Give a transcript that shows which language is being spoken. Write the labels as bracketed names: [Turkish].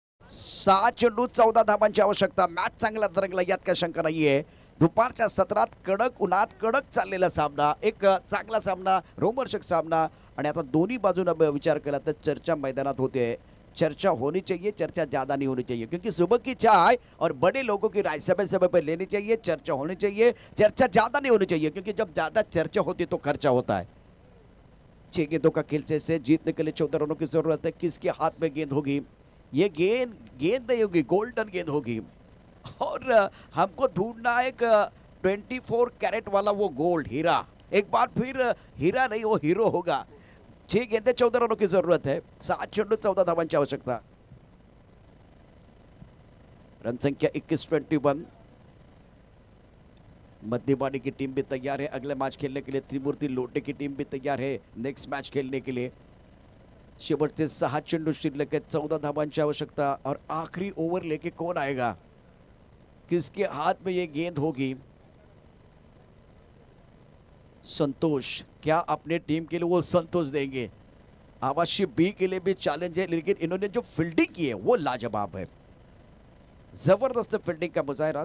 [Marathi] सहा चेंडू 14 धावांची आवश्यकता, मॅच चांगला तरंगला यात काही शंका नाहीये. दुपारच्या सत्रात कडक उन्हात कडक चाललेला सामना, एक चांगला सामना, रोमहर्षक सामना. आणि आता दोन्ही बाजूंना विचार केला तर चर्चा मैदानात होते, [Hindi] चर्चा होनी चाहिए, चर्चा ज़्यादा नहीं होनी चाहिए, क्योंकि सुबह की चाय और बड़े लोगों की राय समय समय पर लेनी चाहिए. चर्चा होनी चाहिए, चर्चा ज़्यादा नहीं होनी चाहिए, क्योंकि जब ज़्यादा चर्चा होती है तो खर्चा होता है. छः गेंदों का खेल से जीतने के लिए 14 रनों की ज़रूरत है. किसके हाथ में गेंद होगी? ये गेंद नहीं होगी, गोल्डन गेंद होगी. और हमको ढूंढना है एक 24 कैरेट वाला वो गोल्ड हीरा. एक बार फिर हीरा नहीं, वो हीरो होगा. छह गेंदे 14 रनों की जरूरत है, [Marathi] सात चेंडू 14 धावांची आवश्यकता. [Hindi] रन संख्या 21-21. मध्यबाड़ी की टीम भी तैयार है अगले मैच खेलने के लिए, त्रिमूर्ति लोटे की टीम भी तैयार है नेक्स्ट मैच खेलने के लिए. [Marathi] शेवट से सहा चेंडू शिल्लक है, 14 धावांची आवश्यकता. [Hindi] और आखिरी ओवर लेके कौन आएगा, किसके हाथ में ये गेंद होगी? संतोष क्या अपने टीम के लिए वो संतोष देंगे? आवाश्य बी के लिए भी चैलेंज है, लेकिन इन्होंने जो फील्डिंग की है वो लाजवाब है, जबरदस्त फील्डिंग का मुजाहिरा.